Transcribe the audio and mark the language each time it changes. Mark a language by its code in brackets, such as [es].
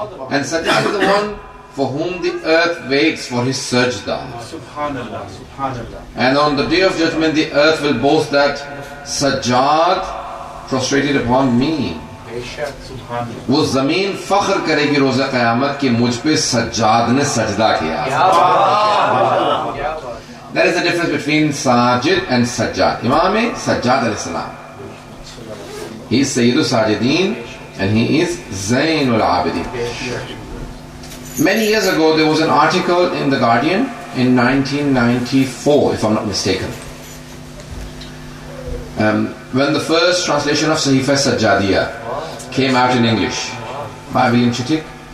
[en] And sajjad is the one for whom the earth waits for his sajda. And on the day of judgment, the earth will boast that sajjad prostrated upon me. [ur] وہ زمین فخر کرے گی روز قیامت کہ مجھ پہ سجاد نے سجدہ کیا. [en] There is a difference between Sajid and Sajjad. Imam Sajjad علیہ السلام, he is Sayyid al-Sajidin and he is Zain al-Abidin. Many years ago there was an article in the Guardian in 1994, if I'm not mistaken, when the first translation of Sahifa Sajjadiya came out in English by William Chittick.